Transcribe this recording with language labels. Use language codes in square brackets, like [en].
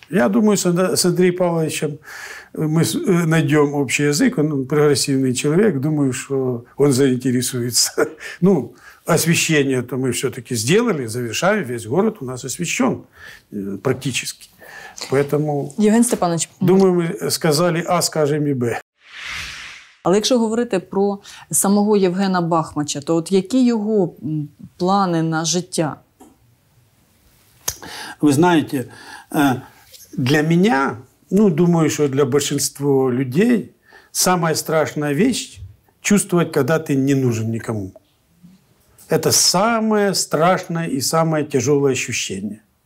[ru] Я думаю, с Андреем Павловичем мы найдем общий язык. Он прогрессивный человек. Думаю, что он заинтересуется. Освещение-то мы все-таки сделали, завершаем. Весь город у нас освещен практически. Поэтому, [uk] Євген Степанович, думаю, ми сказали А, скажем і Б. Але якщо говорити про самого Євгена Бахмача, то от які його плани на життя? [ru] Вы знаете, для меня, думаю, что для большинства людей, самая страшная вещь – чувствовать, когда ты не нужен никому. Это самое страшное и самое тяжелое ощущение.